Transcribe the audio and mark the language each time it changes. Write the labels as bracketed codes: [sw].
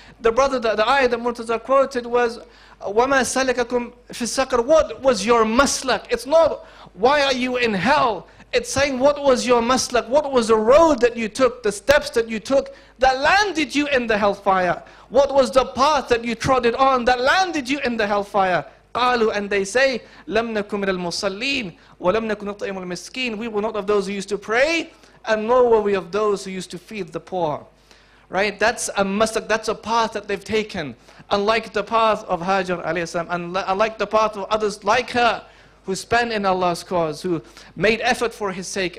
[en] The brother, the ayah that Murtaza quoted was, [ar] وَمَا سَلَكَكُمْ فِي السَّقَرِ. [en] What was your maslak? It's not, why are you in hell? It's saying, what was your maslak? What was the road that you took, the steps that you took, that landed you in the hellfire? What was the path that you trodden on, that landed you in the hellfire? [ar] قَالُوا, [en] and they say, [ar] لَمْ نَكُمْ مِنَ الْمُصَلِّينَ وَلَمْ نَكُمْ نَطْئِمُ الْمِسْكِينَ. [en] We were not of those who used to pray, and nor were we of those who used to feed the poor. Right? That's a maslak, that's a path that they've taken. Unlike the path of Hajar alayhi salam, and unlike the path of others like her, who spent in Allah's cause, who made effort for His sake.